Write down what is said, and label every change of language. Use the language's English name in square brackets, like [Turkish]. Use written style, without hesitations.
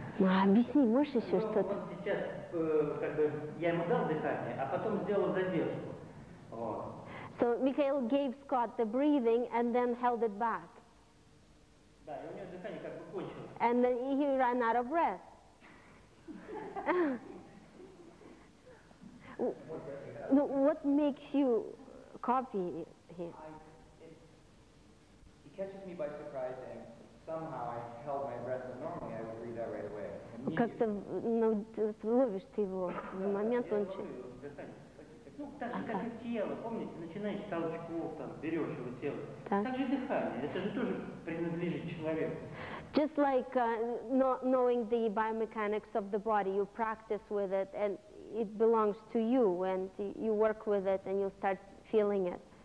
[Russian] А объясни, можешь еще что-то? Вот сейчас, как бы, я ему дал дыхание, а потом сделал задержку. Вот. [English] So Mikhail gave Scott the breathing and then held it back. [Russian] Да, и у него дыхание как бы кончилось. [English] And then he ran out of breath. Ну, what makes you copy him? He catches me by surprise and somehow I held my breath, but normally I would read that right away. [Russian] Как-то ловишь ты его в момент, он чуть. Ну, так же, как и тело, помните, начинаешь с толчков, там, берешь его тело. Так же дыхание, это же тоже принадлежит человеку. [English] Just like knowing the biomechanics of the body, you practice with it, and it belongs to you, and you work with it, and you start feeling it.